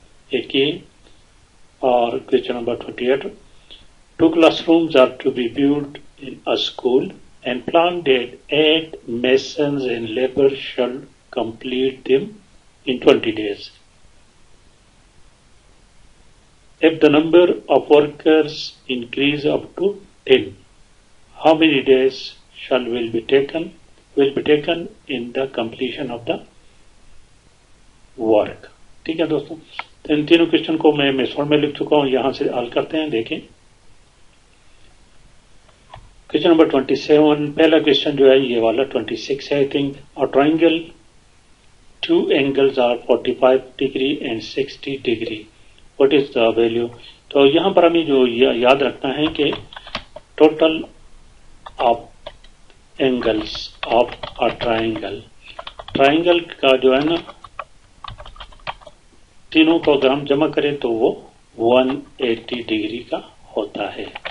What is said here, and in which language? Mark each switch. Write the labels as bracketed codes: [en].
[en] ایک اور question number 28, two class rooms are to be build in school and planted 8 masons and labour shall complete them in 20 days. If the number of workers increase up to 10, how many days shall will be taken in the completion of the work. [ur] ٹھیک ہے دوستو, ان تینوں question کو میں میسور میں لکھ چکا ہوں, یہاں سے حل کرتے ہیں. دیکھیں کوشچن نمبر 27, پہلا کوشچن جو ہے یہ والا 26 ہے [en] I think. [ur] اور [en] Triangle two angles are 45 degree and 60 degree, what is the value. [ur] تو یہاں پر ہمیں جو یاد رکھنا ہے کہ [en] total of angles of a triangle, [ur] triangle کا جو ہے نا تینوں کو اگر ہم جمع کریں تو وہ 180 degree کا ہوتا ہے.